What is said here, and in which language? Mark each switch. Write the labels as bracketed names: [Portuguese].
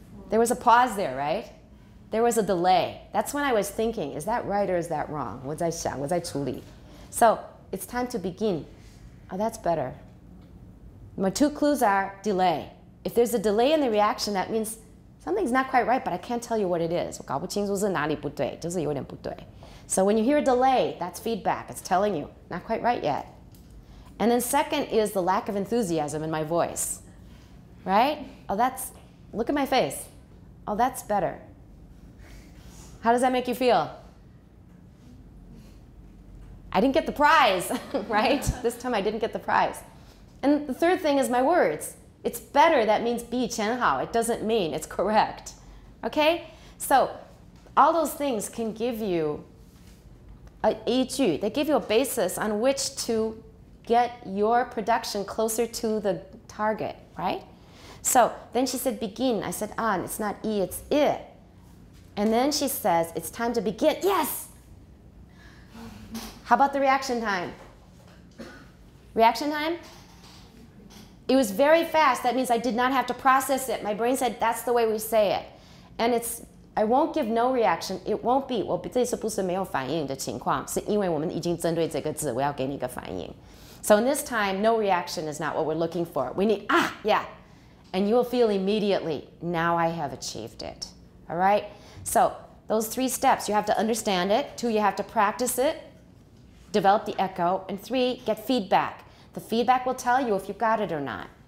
[English] There was a pause there, right? There was a delay. That's when I was thinking, is that right or is that wrong? [Chinese] 我在想，我在处理. [English] So it's time to begin. Oh, that's better. My 2 clues are delay. if there's a delay in the reaction, that means something's not quite right, but I can't tell you what it is. [Chinese] 我搞不清楚是哪里不对，就是有点不对。 [English] So when you hear a delay, that's feedback. It's telling you, not quite right yet. And then second is the lack of enthusiasm in my voice. Right? Oh, that's, look at my face. Oh, that's better. How does that make you feel? I didn't get the prize, right? This time I didn't get the prize. And the third thing is my words. It's better, that means [Chinese] 比前好. [English] It doesn't mean it's correct. Okay? So all those things can give you a 依据, they give you a basis on which to get your production closer to the target, right? So then she said, begin. I said, ah, it's not E, it's I. And then she says, it's time to begin. Yes! How about the reaction time? Reaction time? It was very fast. That means I did not have to process it. My brain said, that's the way we say it. And it's, I won't give no reaction. It won't be. [Chinese] 我这次不是没有反应的情况，是因为我们已经针对这个字，我要给你一个反应。 [English] So in this time, no reaction is not what we're looking for. We need, ah, yeah. And you will feel immediately, now I have achieved it. All right? So those three steps, you have to understand it. Two, you have to practice it. Develop the echo. And three, get feedback. The feedback will tell you if you got it or not.